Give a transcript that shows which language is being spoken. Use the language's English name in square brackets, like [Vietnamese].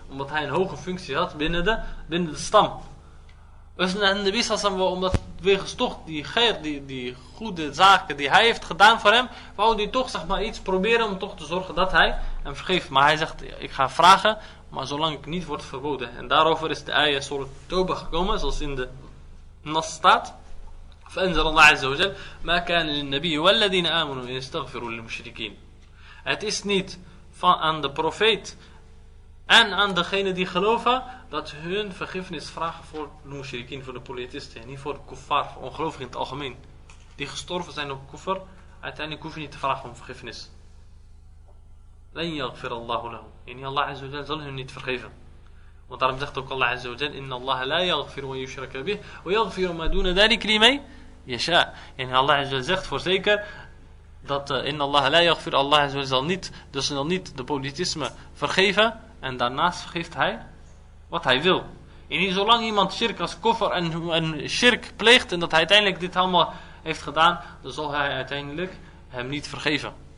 [Dutch] Omdat hij een hoge functie had binnen de stam. Dus de Nabi sallallahu alayhi wa sallam, omdat wegens toch die geir, die goede zaken die hij heeft gedaan voor hem, wou hij toch, zeg maar, iets proberen om toch te zorgen dat hij hem vergeeft. Maar hij zegt, ik ga vragen, maar zolang ik niet word verboden. En daarover is de ayah surah Toba gekomen, zoals in de Nas staat. [Arabic] فأنزل الله عز وجل ما كان للنبي والذين آمنوا يستغفروا للمشركين. [Dutch] Het is niet van aan de profeet en aan degene die geloven dat hun vergiffenis vragen voor de mushrikeen, voor de polytheïsten, niet voor de kuffar, voor ongelovigen in het algemeen. Die gestorven zijn op kuffar, uiteindelijk hoef je niet te vragen om vergiffenis. [Arabic] لَنْ يَغْفِرَ اللَّهُ لَهُمْ. [Dutch] En Allah Azza wa Jalla zal hun niet vergeven. Want daarom zegt ook Allah Azza wa Jalla, [Arabic] إِنَّ اللَّهَ لَا يَغْفِرُ وَيُشْرَكَ بِهِ وَيَغْفِرُ مَا دُونَ ذَلِكَ لِمَنْ يَشَاءُ. [Dutch] En Allah Azza wa Jalla zegt voorzeker dat [Arabic] in Allah la yaghfir, [Dutch] Allah zal niet, dus zal niet de politisme vergeven, en daarnaast vergeeft hij wat hij wil. En niet zolang iemand shirk als koffer en shirk pleegt en dat hij uiteindelijk dit allemaal heeft gedaan, dan zal hij uiteindelijk hem niet vergeven.